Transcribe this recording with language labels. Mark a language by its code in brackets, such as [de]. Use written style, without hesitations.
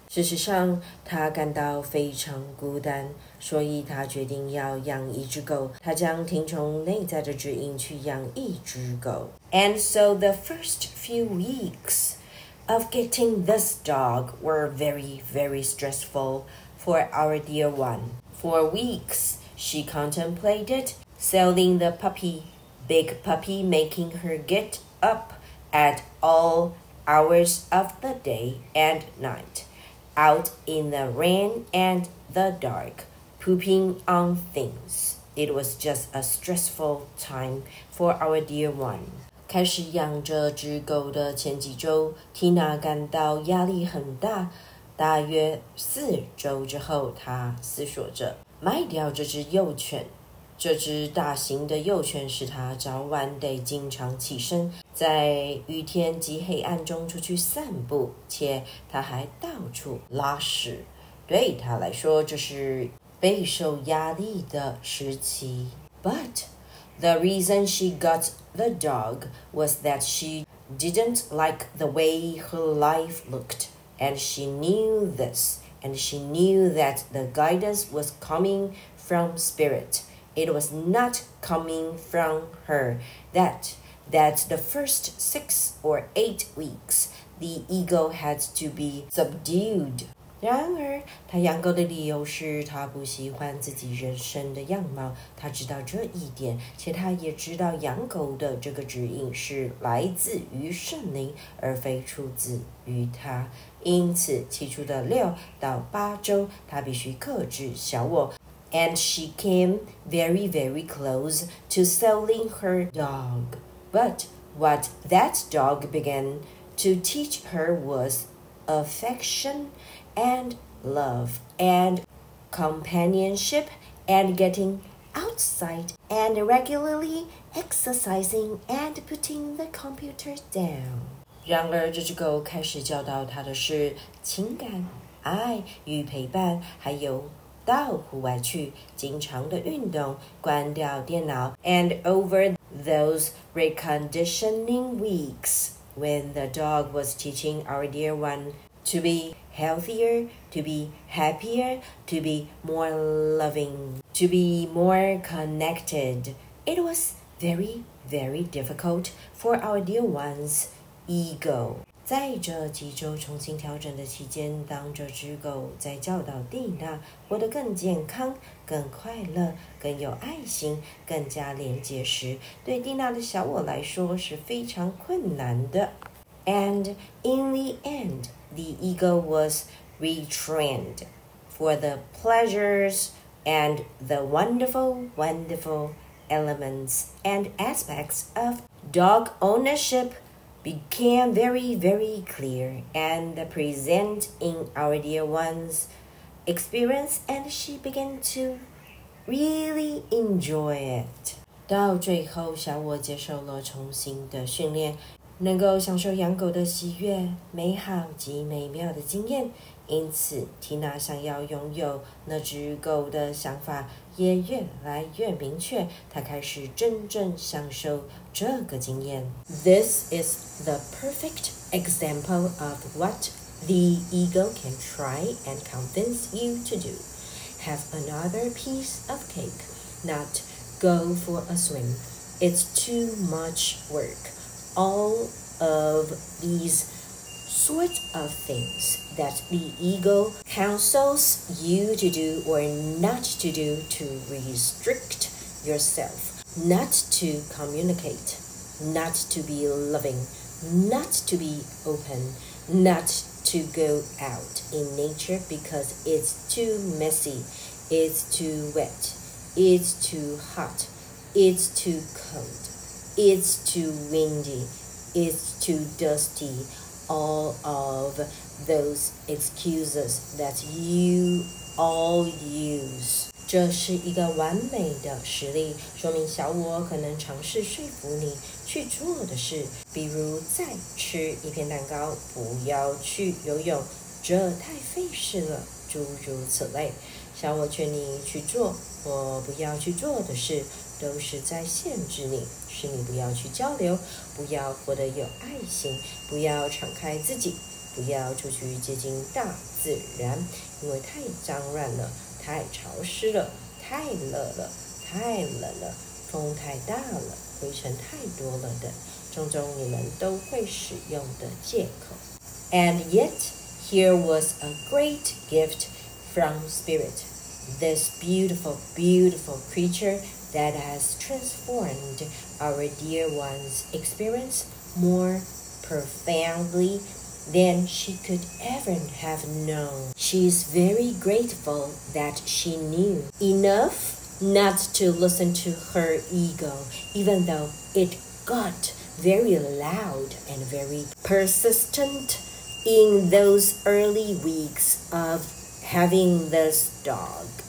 [zh] 事实上他感到非常孤单，所以他决定要养一只狗。他将听从内在的指引去养一只狗。 [en] And so the first few weeks of getting this dog were very, very stressful for our dear one. For weeks, she contemplated selling the puppy, big puppy making her get up at all hours of the day and night, out in the rain and the dark, pooping on things. It was just a stressful time for our dear one. [zh] 开始养这只狗的前几周 ，Tina 感到压力很大。大约四周之后，她思索着卖掉这只幼犬。这只大型的幼犬使她早晚得经常起身，在雨天及黑暗中出去散步，且她还到处拉屎。对她来说，这是备受压力的时期。 [en] But the reason she got the dog was that she didn't like the way her life looked, and she knew this, and she knew that the guidance was coming from spirit. It was not coming from her. That the first 6 or 8 weeks, the ego had to be subdued. [zh] 然而，他养狗的理由是他不喜欢自己人生的样貌。他知道这一点，且他也知道养狗的这个指引是来自于圣灵，而非出自于他。因此，起初的6到8周，他必须克制小我。 [en] And she came very, very close to selling her dog. But what that dog began to teach her was affection. And love and companionship and getting outside and regularly exercising and putting the computer down. [zh] 然而这只狗开始教导它的是情感、爱与陪伴，还有到户外去经常的运动，关掉电脑。 [en] And over those reconditioning weeks, when the dog was teaching our dear one to be healthier, to be happier, to be more loving, to be more connected. It was very, very difficult for our dear one's ego. [zh] 在这几周重新调整的期间，当这只狗在教导蒂娜活得更健康、更快乐、更有爱心、更加连结时，对蒂娜的小我来说是非常困难的。 [en] And in the end, the ego was retrained for the pleasures and the wonderful, wonderful elements and aspects of dog ownership. Became very, very clear and present in our dear one's experience, and she began to really enjoy it. [zh] 到最后，小我接受了重新的训练，能够享受养狗的喜悦、美好及美妙的经验。因此，缇娜想要拥有那只狗的想法也越来越明确，她开始真正享受这个经验。 [en] This is the perfect example of what the ego can try and convince you to do. Have another piece of cake, not go for a swim. It's too much work. All of these sort of things that the ego counsels you to do or not to do to restrict yourself. Not to communicate, not to be loving, not to be open, not to go out in nature because it's too messy, it's too wet, it's too hot, it's too cold, it's too windy, it's too dusty. All of those excuses that you all use. [zh] 这是一个完美的实例，说明小我可能尝试说服你去做的事，比如再吃一片蛋糕，不要去游泳，这太费事了，诸如此类。小我劝你去做或不要去做的事，都是在限制你，使你不要去交流，不要活得有爱心，不要敞开自己，不要出去接近大自然，因为太脏乱了。太潮湿了，太热了，太冷了，风太大了，灰尘太多了等，种种你们都会使用的借口。 [en] And yet, here was a great gift from Spirit. This beautiful, beautiful creature that has transformed our dear one's experience more profoundly. Than she could ever have known. She's very grateful that she knew enough not to listen to her ego, even though it got very loud and very persistent in those early weeks of having this dog.